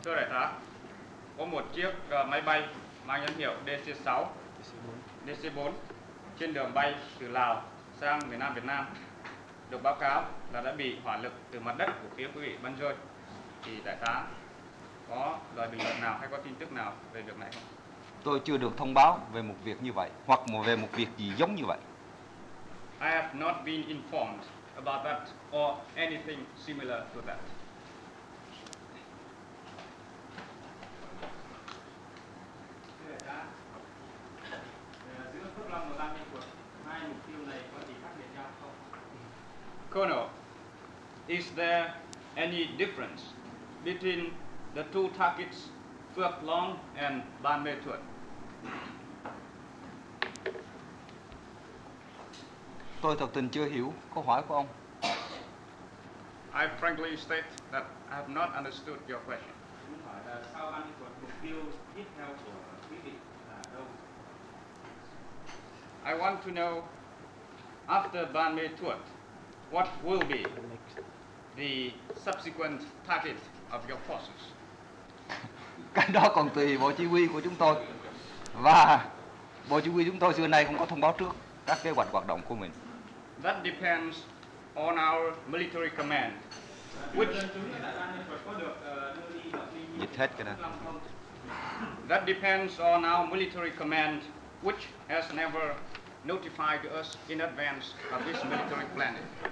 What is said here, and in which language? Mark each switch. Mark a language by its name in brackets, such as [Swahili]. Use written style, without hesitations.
[Vietnamese] Thưa đại tá, có một chiếc máy bay mang nhãn hiệu DC-6, DC-4 trên đường bay từ Lào sang miền Nam Việt Nam được báo cáo là đã bị hỏa lực từ mặt đất của phía quý vị bắn rơi. Thì đại tá có lời bình luận nào hay có tin tức nào về việc này không? Tôi chưa được thông báo về một việc như vậy hoặc về một việc gì giống như vậy. [English] I have not been informed about that or anything similar to that. Colonel, is there any difference between the two targets, Phước Long and Ban Mê Thuột? [Vietnamese] Tôi thật tình chưa hiểu câu hỏi của ông. [English] I frankly state that I have not understood your question. I want to know, after Ban Mê Thuột, what will be the subsequent target of your forces? [Vietnamese] Cái đó còn tùy bộ chỉ huy của chúng tôi. Và bộ chỉ huy chúng tôi xưa nay không có thông báo trước các kế hoạch hoạt động của mình. [English] That depends on our military command, which that depends on our military command, which has never notified us in advance of this military planning.